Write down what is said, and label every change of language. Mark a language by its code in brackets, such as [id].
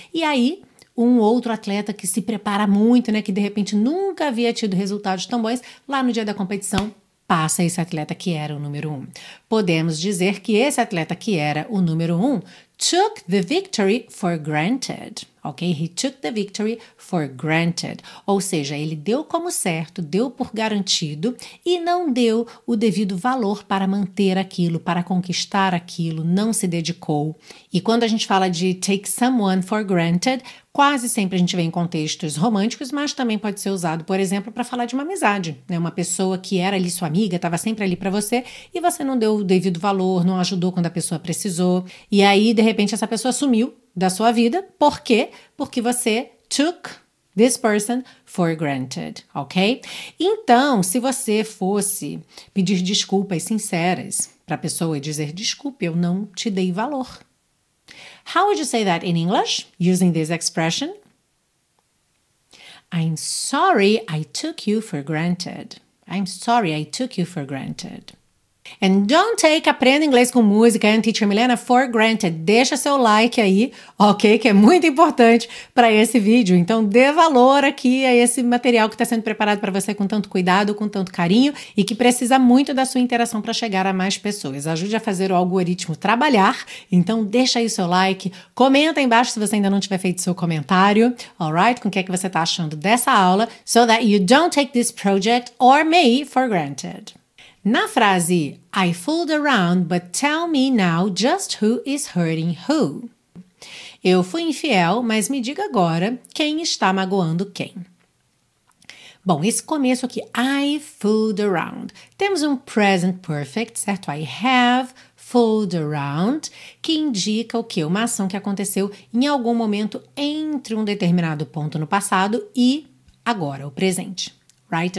[pt] E aí, um outro atleta que se prepara muito, né, que de repente nunca havia tido resultados tão bons, lá no dia da competição, passa esse atleta que era o número um. Podemos dizer que esse atleta que era o número um [en] took the victory for granted, [pt] ok? [en] He took the victory for granted. [pt] Ou seja, ele deu como certo, deu por garantido e não deu o devido valor para manter aquilo, para conquistar aquilo, não se dedicou. E quando a gente fala de [en] take someone for granted, [pt] quase sempre a gente vê em contextos românticos, mas também pode ser usado, por exemplo, para falar de uma amizade, né? Uma pessoa que era ali sua amiga, estava sempre ali para você e você não deu o devido valor, não ajudou quando a pessoa precisou. E aí, de repente, essa pessoa sumiu da sua vida. Por quê? Porque você [en] took this person for granted, [pt] ok? Então, se você fosse pedir desculpas sinceras para a pessoa e dizer, desculpe, eu não te dei valor. [en] How would you say that in English, using this expression? I'm sorry I took you for granted. I'm sorry I took you for granted. And don't take Aprenda Inglês com Música and Teacher Milena for granted. [pt] Deixa seu like aí, ok? Que é muito importante para esse vídeo. Então, dê valor aqui a esse material que está sendo preparado para você com tanto cuidado, com tanto carinho e que precisa muito da sua interação para chegar a mais pessoas. Ajude a fazer o algoritmo trabalhar. Então, deixa aí seu like. Comenta aí embaixo se você ainda não tiver feito seu comentário. [en] Alright? [pt] Com o que é que você está achando dessa aula? [en] So that you don't take this project or me for granted. [pt] Na frase, [en] I fooled around, but tell me now just who is hurting who. [pt] Eu fui infiel, mas me diga agora quem está magoando quem. Bom, esse começo aqui, [en] I fooled around. [pt] Temos um present perfect, certo? [en] I have fooled around, [pt] que indica o quê? Uma ação que aconteceu em algum momento entre um determinado ponto no passado e agora, o presente. [en] Right?